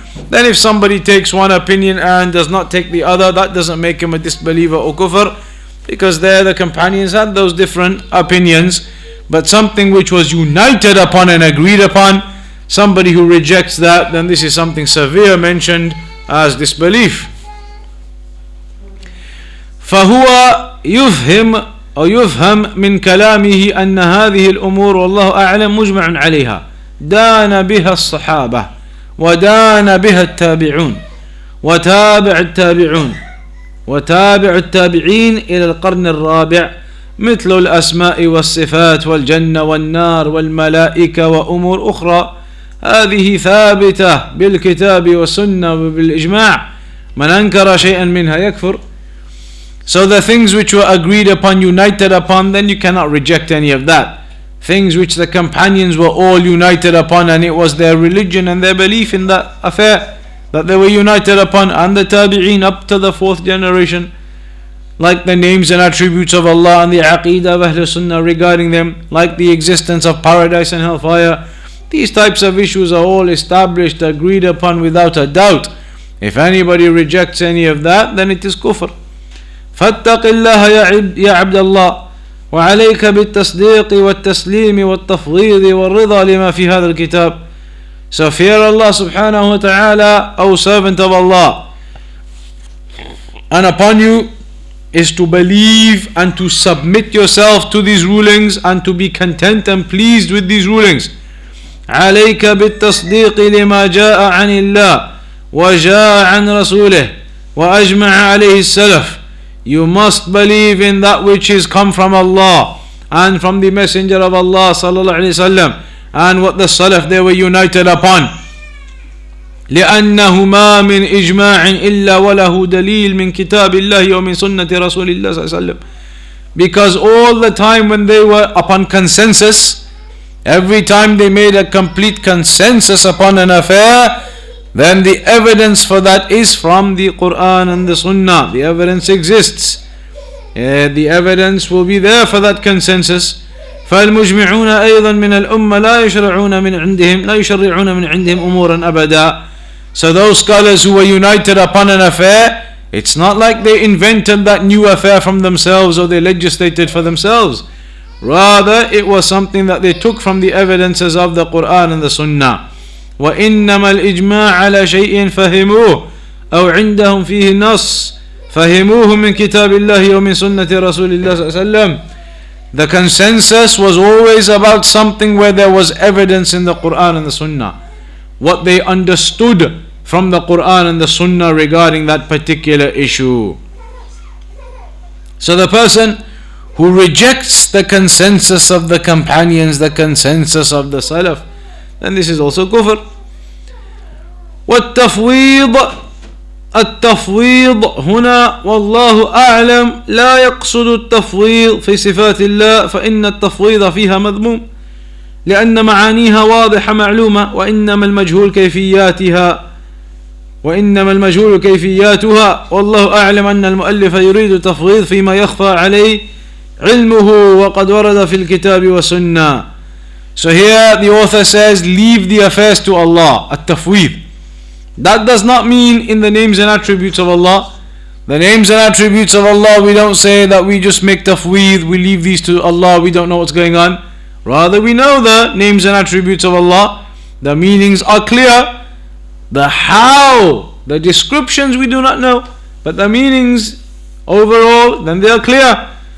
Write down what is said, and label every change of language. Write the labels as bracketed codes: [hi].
[en] Then if somebody takes one opinion and does not take the other, that doesn't make him a disbeliever or kufr, because there the companions had those different opinions. But something which was united upon and agreed upon, somebody who rejects that, then this is something severe mentioned as disbelief. [ar] فَهُوَ يُفْهِمْ أو يفهم من كلامه أن هذه الأمور والله أعلم مجمع عليها دان بها الصحابة ودان بها التابعون وتابع التابعون وتابع التابعين إلى القرن الرابع مثل الأسماء والصفات والجنة والنار والملائكة وأمور أخرى هذه ثابتة بالكتاب والسنة وبالإجماع من أنكر شيئا منها يكفر. [en] So the things which were agreed upon, united upon, then you cannot reject any of that. Things which the companions were all united upon, and it was their religion and their belief in that affair that they were united upon, and the tabi'een up to the fourth generation, like the names and attributes of Allah and the aqeedah of Ahlul Sunnah regarding them, like the existence of paradise and hellfire. These types of issues are all established, agreed upon without a doubt. If anybody rejects any of that, then it is kufr. [ar] فاتق الله يا عبد الله وعليك بالتصديق والتسليم والتفويض والرضا لما في هذا الكتاب. [en] So fear Allah subhanahu wa ta'ala, O servant of Allah, and upon you is to believe and to submit yourself to these rulings and to be content and pleased with these rulings. [ar] عليك بالتصديق لما جاء عن الله وجاء عن رسوله وأجمع عليه السلف. [en] You must believe in that which is come from Allah and from the Messenger of Allah صلى الله عليه وسلم and what the Salaf they were united upon. [ar] لأنهما من إجماع إلا وله دليل من كتاب الله ومن سنة رسول الله صلى الله عليه وسلم. [en] Because all the time when they were upon consensus, every time they made a complete consensus upon an affair, then the evidence for that is from the Quran and the Sunnah. The evidence exists. The evidence will be there for that consensus. [ar] فالمجمعون أيضا من الأمة لا يشرعون من عندهم لا يشرعون من عندهم أمورا أبدا. [en] So those scholars who were united upon an affair, it's not like they invented that new affair from themselves or they legislated for themselves. Rather, it was something that they took from the evidences of the Quran and the Sunnah. [ar] وَإِنَّمَا الْإِجْمَاعَ عَلَى شَيْءٍ فَهِمُوهُ أَوْ عِنْدَهُمْ فِيهِ نَصْ فَهِمُوهُ مِنْ كِتَابِ اللَّهِ وَمِنْ سُنَّةِ رَسُولِ اللَّهِ صَلَّى اللَّهُ عَلَيْهِ وَسَلَّمَ. [en] The consensus was always about something where there was evidence in the Quran and the Sunnah. What they understood from the Quran and the Sunnah regarding that particular issue. So the person who rejects the consensus of the companions, the consensus of the Salaf, then this is also kufr. [ar] والتفويض التفويض هنا والله أعلم لا يقصد التفويض في صفات الله فإن التفويض فيها مذموم لأن معانيها واضحة معلومة وإنما المجهول كيفياتها وإنما المجهول كيفياتها والله أعلم أن المؤلف يريد تفويض فيما يخفى عليه علمه وقد ورد في الكتاب والسنة. [en] So here the author says, leave the affairs to Allah, التفويض. That does not mean in the names and attributes of Allah. The names and attributes of Allah, we don't say that we just make تفويض, we leave these to Allah, we don't know what's going on. Rather, we know the names and attributes of Allah, the meanings are clear, the how, the descriptions we do not know, but the meanings overall, then they are clear.